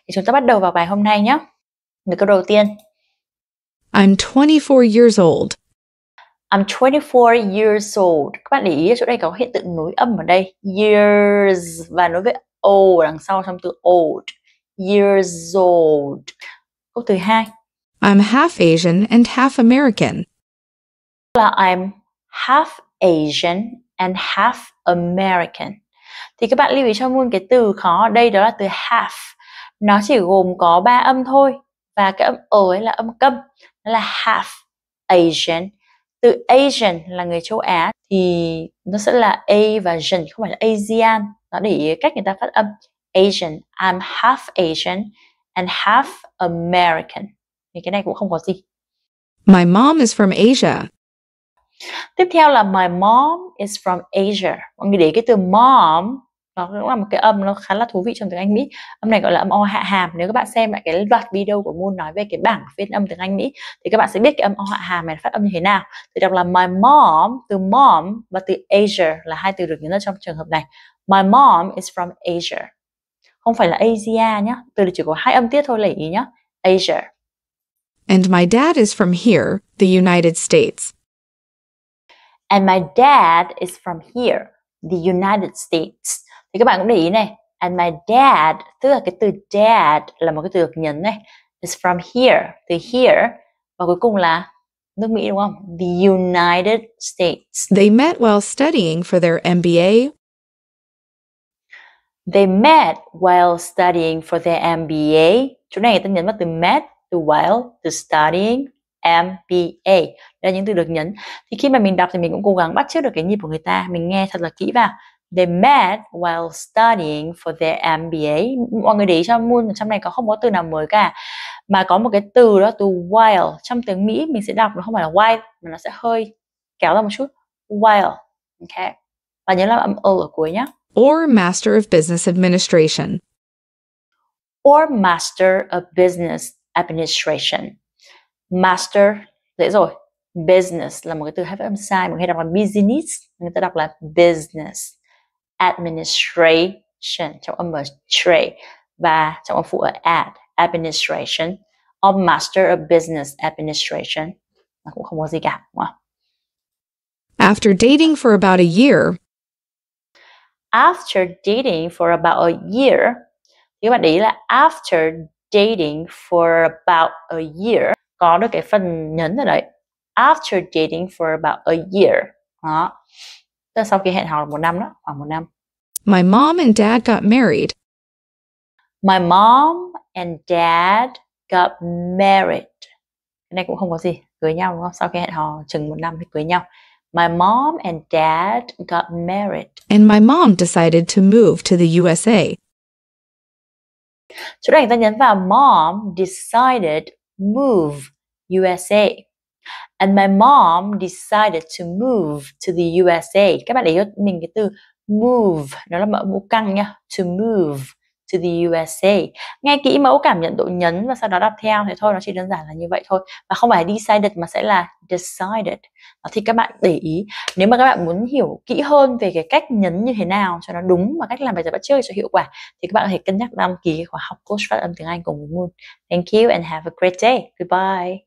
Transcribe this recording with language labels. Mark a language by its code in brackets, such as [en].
[vi] Thì chúng ta bắt đầu vào bài hôm nay nhé. Được, câu đầu tiên. [en] I'm 24 years old. I'm 24 years old. [vi] Các bạn để ý chỗ đây có hiện tượng nối âm ở đây. Years, và nối với o đằng sau trong từ old. [en] Years old. [vi] Câu thứ hai. [en] I'm half Asian and half American. [vi] Là [en] I'm half Asian and half American. [vi] Thì các bạn lưu ý cho Moon cái từ khó ở đây, đó là từ half. Nó chỉ gồm có ba âm thôi. Và cái âm o ấy là âm câm. Nó là half Asian. Từ Asian là người châu Á thì nó sẽ là A và Jen, không phải là Asian. Nó để ý cách người ta phát âm. [en] Asian. I'm half Asian and half American. [vi] Thì cái này cũng không có gì. [en] My mom is from Asia. [vi] Tiếp theo là [en] my mom is from Asia. [vi] Mọi người để ý cái từ mom, nó cũng là một cái âm nó khá là thú vị trong tiếng Anh Mỹ. Âm này gọi là âm o hạ hàm. Nếu các bạn xem lại cái loạt video của Moon nói về cái bảng phiên âm tiếng Anh Mỹ thì các bạn sẽ biết cái âm o hạ hàm này phát âm như thế nào. Thì đọc là my mom, từ mom và từ Asia là hai từ được nhấn trong trường hợp này. [en] My mom is from Asia. [vi] Không phải là Asia nhá. Từ này chỉ có hai âm tiết thôi, lấy ý nhá. [en] Asia. And my dad is from here, the United States. And my dad is from here, the United States. [vi] Thì các bạn cũng để ý này, and my dad, tức là cái từ dad là một cái từ được nhấn này, [en] is from here, [vi] từ here, và cuối cùng là nước Mỹ đúng không? [en] The United States. They met while studying for their MBA. They met while studying for their MBA. [vi] Chỗ này người ta nhấn vào từ met, từ while, từ studying, MBA. Đây là những từ được nhấn. Thì khi mà mình đọc thì mình cũng cố gắng bắt chước được cái nhịp của người ta, mình nghe thật là kỹ vào. [en] They met while studying for their MBA. [vi] Mọi người để ý cho Moon, trong này có không có từ nào mới cả, mà có một cái từ đó, từ while. Trong tiếng Mỹ mình sẽ đọc nó không phải là while, mà nó sẽ hơi kéo ra một chút. While, okay. Và nhớ là âm O ở cuối nhé. [en] Or Master of Business Administration. Or Master of Business Administration. Master, [vi] dễ rồi. Business là một cái từ hay phát âm sai, mọi người đọc là business, người ta đọc là business. Administration, trọng âm ở tray và trọng âm phụ ở ad, administration. [en] Or master of business administration, [vi] nó cũng không có gì cả. [en] After dating for about a year. After dating for about a year, [vi] thì các bạn để ý là [en] after dating for about a year [vi] có được cái phần nhấn ở đấy. [en] After dating for about a year. [vi] Đó. Tức là sau khi hẹn hò một năm đó, khoảng một năm. [en] My mom and dad got married. My mom and dad got married. [vi] Cái này cũng không có gì. Cưới nhau đúng không? Sau khi hẹn hò chừng một năm thì cưới nhau. [en] My mom and dad got married. And my mom decided to move to the USA. [vi] Chỗ này người ta nhấn vào mom decided move USA. [en] And my mom decided to move to the USA. [vi] Các bạn để cho mình cái từ move, nó là mẫu căng nha. [en] To move to the USA. [vi] Nghe kỹ mẫu cảm nhận độ nhấn và sau đó đọc theo thì thôi, nó chỉ đơn giản là như vậy thôi. Và không phải decided mà sẽ là decided. Thì các bạn để ý, nếu mà các bạn muốn hiểu kỹ hơn về cái cách nhấn như thế nào cho nó đúng và cách làm bài tập bắt chước cho hiệu quả, thì các bạn có thể cân nhắc đăng ký khóa học coach phát âm tiếng Anh cùng Moon. [en] Thank you and have a great day. Goodbye.